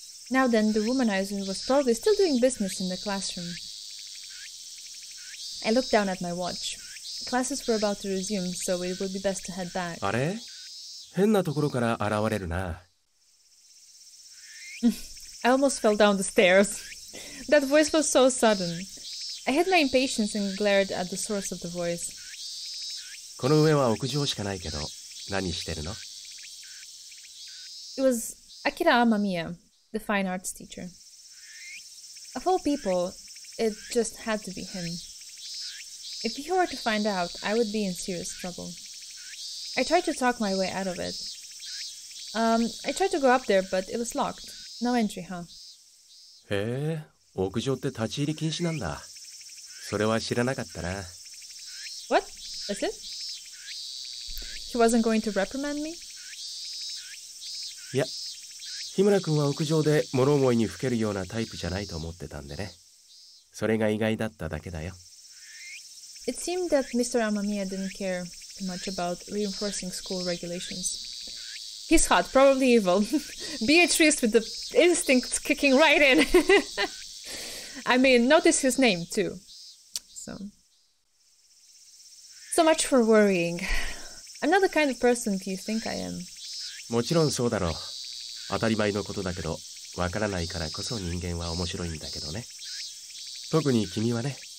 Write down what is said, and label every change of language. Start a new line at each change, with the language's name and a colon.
English: Now then, the womanizer was probably still doing business in the classroom. I looked down at my watch. Classes were about to resume, so it would be best to head back.
Japanese: あれ? 変なところから現れるな。
English: I almost fell down the stairs. That voice was so sudden. I hid my impatience and glared at the source of the voice.
Japanese: この上は屋上しかないけど、何してるの?
English: It was Akira Amamiya, the fine arts teacher. Of all people, it just had to be him. If he were to find out, I would be in serious trouble. I tried to talk my way out of it. I tried to go up there, but it was locked. No entry, huh?
Japanese: へえ、屋上って立ち入り禁止なんだ。それは知らなかったな。
English: What? That's it? He wasn't going to reprimand me?
Japanese: いや、日村君は屋上で諸思いにふけるようなタイプじゃないと思ってたんでね。それが意外だっただけだよ。
English: It seemed that Mr. Amamiya didn't care too much about reinforcing school regulations. He's hot, probably evil. Beatrice with the instincts kicking right in. I mean, notice his name too. So much for worrying. I'm not the kind of person you think I am.
Japanese: もちろんそうだろう。当たり前のことだけど、わからないからこそ人間は面白いんだけどね。特に君はね。